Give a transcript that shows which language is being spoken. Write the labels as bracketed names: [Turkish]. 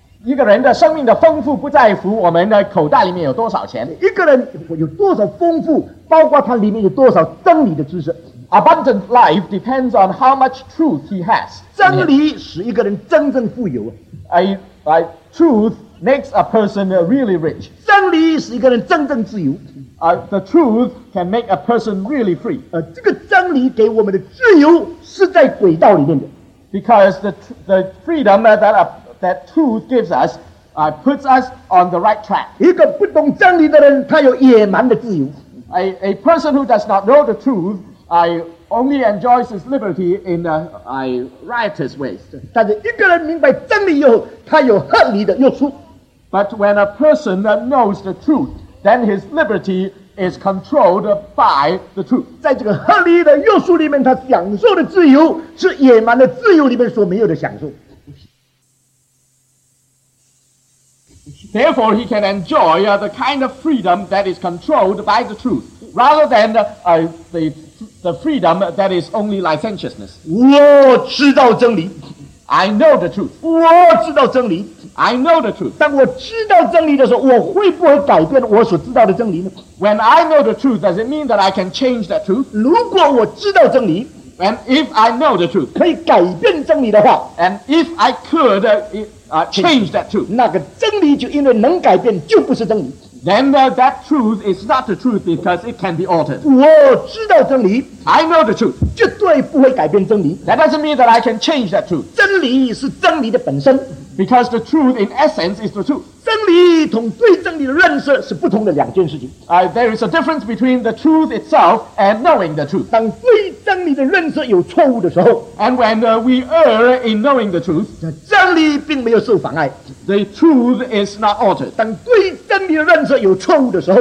[Chinese] 一个人的生命的丰富不在乎我们的口袋里面有多少钱。一个人有多少丰富, 包括他里面有多少真理的知识。 [English] Abundant life depends on how much truth he has. [Chinese] 真理使一个人真正富有。 [English] Truth makes a person really rich. [Chinese] 真理使一个人真正自由。 [English] The truth can make a person really free. [Chinese] 这个真理给我们的自由是在轨道里面的。 [English] Because the freedom that truth gives us puts us on the right track. [Chinese] 一个不懂真理的人，他有野蛮的自由。 [English] A person who does not know the truth, only enjoys his liberty in a riotous way. [Chinese] 但是一个人明白真理以后，他有合理的用处。 [English] But when a person knows the truth, then his liberty is controlled by the truth. [Chinese] 在这个合理的用处里面，他享受的自由是野蛮的自由里面所没有的享受。 [English] Therefore, he can enjoy the kind of freedom that is controlled by the truth, rather than the freedom that is only licentiousness. [Chinese] 我知道真理。 [English] I know the truth. [Chinese] 我知道真理。 [English] I know the truth. [Chinese] 当我知道真理的时候，我会不会改变我所知道的真理呢？ [English] When I know the truth, does it mean that I can change that truth? [Chinese] 如果我知道真理， [English] and if I know the truth, [Chinese] 可以改变真理的话， [English] and if I could change that truth, [Chinese] 那个真理就因为能改变，就不是真理。 [English] Then that truth is not the truth because it can be altered. [Chinese] 我知道真理。 [English] I know the truth. [Chinese] 绝对不会改变真理。 [English] That doesn't mean that I can change that truth. [Chinese] 真理是真理的本身。 [English] Because the truth in essence is the truth. [Chinese] 真理同对真理的认识是不同的两件事情。 [English] There is a difference between the truth itself and knowing the truth. [Chinese] 当对真理的认识有错误的时候， [English] and when we err in knowing the truth, [Chinese] 真理并没有受妨碍。 [English] The truth is not altered. [Chinese] 当对真理的认识有错误的时候，